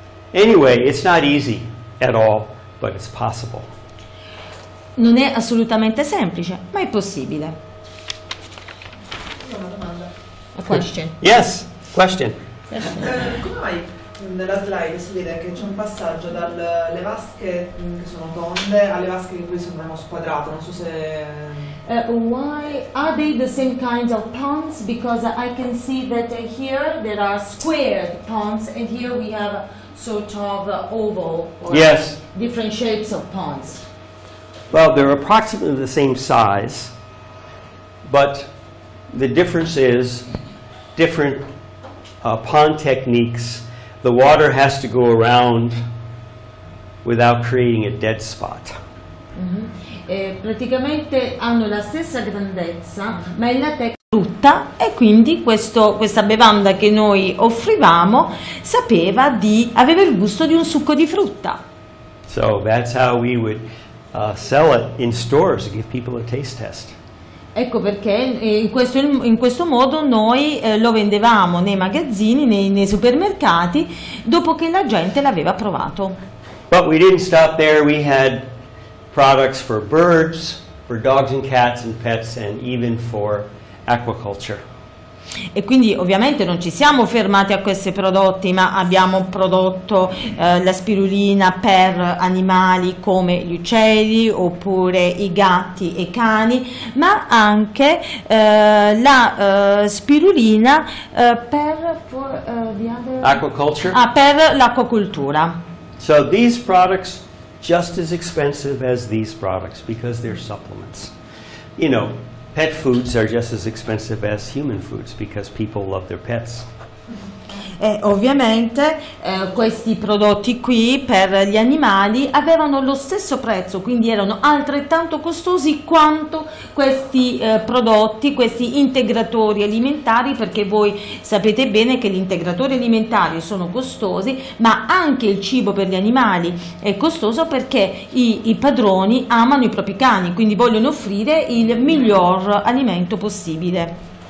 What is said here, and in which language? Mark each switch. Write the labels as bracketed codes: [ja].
[en] Right. Anyway, it's not easy at all, but it's possible. [it] Non è assolutamente semplice, ma è possibile. Io ho una domanda. [en] A question. Yes, question. [it] Come mai nella slide si vede che c'è un passaggio dalle vasche che sono tonde alle vasche che qui sembrano squadrate? Non so se... [en] Why are they the same kinds of ponds? Because I can see that here there are squared ponds and here we have sort of oval or yes. Different shapes of ponds. Well, they're approximately the same size, but the difference is different pond techniques. The water has to go around without creating a dead spot. Mm-hmm. [it] Praticamente hanno la stessa grandezza, ma è la tecnica brutta, e quindi questa bevanda che noi offrivamo aveva il gusto di un succo di frutta. [en] So that's how we would sell it in stores to give people a taste test. [it] Ecco perché in questo modo noi lo vendevamo nei magazzini, nei supermercati, dopo che la gente l'aveva provato. [en] But we didn't stop there. We had products for birds, for dogs and cats and pets, and even for aquaculture. [it] E quindi ovviamente non ci siamo fermati a questi prodotti, ma abbiamo prodotto la spirulina per animali come gli uccelli, oppure i gatti e i cani, ma anche la spirulina per l'acquacoltura. [en] So these products just as expensive as these products because they're supplements. You know, pet foods are just as expensive as human foods because people love their pets. [it] Ovviamente questi prodotti qui per gli animali avevano lo stesso prezzo, quindi erano altrettanto costosi quanto questi prodotti, questi integratori alimentari, perché voi sapete bene che gli integratori alimentari sono costosi, ma anche il cibo per gli animali è costoso perché i padroni amano i propri cani, quindi vogliono offrire il miglior alimento possibile.